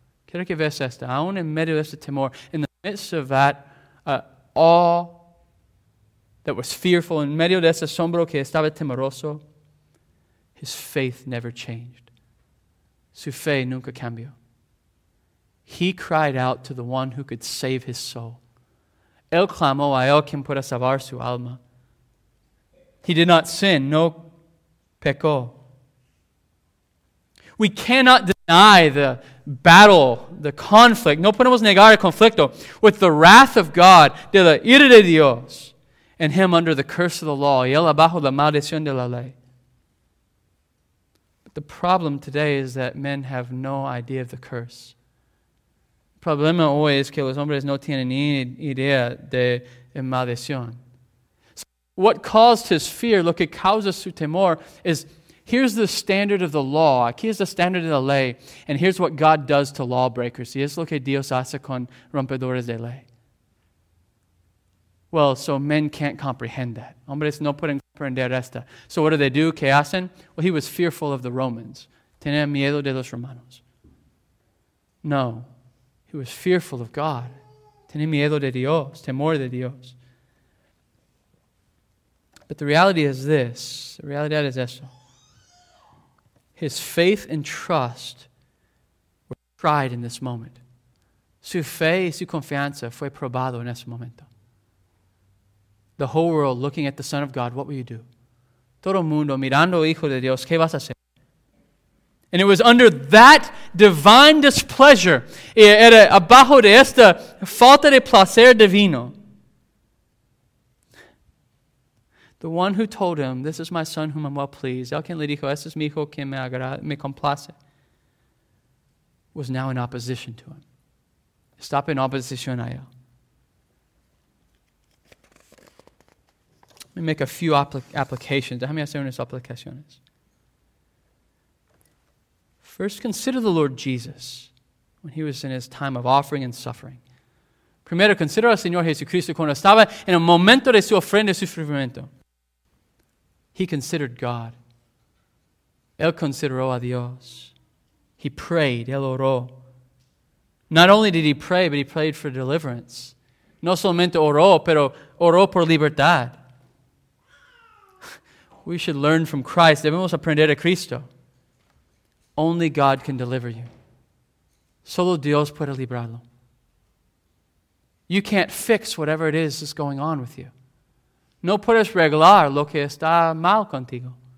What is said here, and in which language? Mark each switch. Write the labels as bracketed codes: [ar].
[es] Quiero que veas esto, aún en medio de este temor, [en] in the midst of that awe that was fearful, [es] en medio de ese asombro que estaba temeroso, [en] his faith never changed. [es] Su fe nunca cambió. [en] He cried out to the one who could save his soul. [es] Él clamó a él quien pueda salvar su alma. [en] He did not sin, [es] no pecó. [en] We cannot deny the battle, the conflict. [es] No podemos negar el conflicto [en] with the wrath of God, [es] de la ira de Dios, [en] and him under the curse of the law, [es] y él abajo la maldición de la ley. [en] The problem today is that men have no idea of the curse. [es] El problema hoy es que los hombres no tienen ni idea de maldición. [en] So what caused his fear, [es] lo que causa su temor, [en] is here's the standard of the law, [es] aquí es [en] the standard of the ley, and here's what God does to lawbreakers. [es] Y es lo que Dios hace con rompedores de ley. [en] Well, so men can't comprehend that. [es] Hombres no pueden comprender esta. [en] So what do they do? [es] ¿Qué hacen? [en] Well, he was fearful of the Romans. [es] Tenía miedo de los romanos. [en] No, he was fearful of God. [es] Tenía miedo de Dios, temor de Dios. [en] But the reality is this. The reality is esto. His faith and trust were tried in this moment. [es] Su fe y su confianza fue probado en ese momento. [en] The whole world looking at the Son of God, what will you do? [es] Todo mundo mirando al Hijo de Dios, ¿qué vas a hacer? [en] And it was under that divine displeasure, [es] era abajo de esta falta de placer divino. [en] The one who told him, this is my Son whom I'm well pleased, [es] el quien le dijo, este es mi Hijo que me complace, [en] was now in opposition to him. Stop in opposition [es] a él. [en] Let me make a few applications. [es] Déjame hacer unas aplicaciones. [en] First, consider the Lord Jesus when he was in his time of offering and suffering. [es] Primero, consider al Señor Jesucristo cuando estaba en el momento de su ofrenda y sufrimiento. [en] He considered God. [es] Él consideró a Dios. [en] He prayed. [es] Él oró. [en] Not only did he pray, but he prayed for deliverance. [es] No solamente oró, pero oró por libertad. [en] We should learn from Christ. [es] Debemos aprender a Cristo. [en] Only God can deliver you. [es] Solo Dios puede librarlo. [en] You can't fix whatever it is that's going on with you. [es] No puedes arreglar lo que está mal contigo.